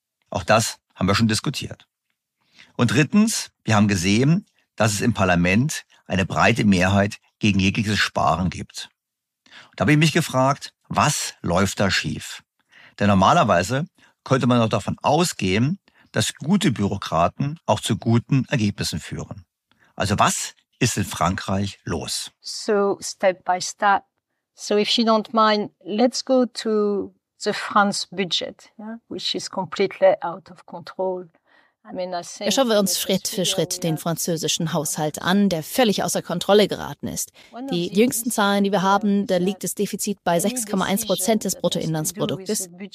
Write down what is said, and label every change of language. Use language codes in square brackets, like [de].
[de] Auch das haben wir schon diskutiert. Und drittens, wir haben gesehen, dass es im Parlament eine breite Mehrheit gegen jegliches Sparen gibt. Da habe ich mich gefragt, was läuft da schief? Denn normalerweise könnte man auch davon ausgehen, dass gute Bürokraten auch zu guten Ergebnissen führen. Also was ist in Frankreich los? [en] So step by step. So if you don't mind, let's go to the France budget, yeah? Which is completely out of control. [de] Schauen wir uns Schritt für Schritt den französischen Haushalt an, der völlig außer Kontrolle geraten ist. Die jüngsten Zahlen, die wir haben, da liegt das Defizit bei 6,1% des Bruttoinlandsproduktes.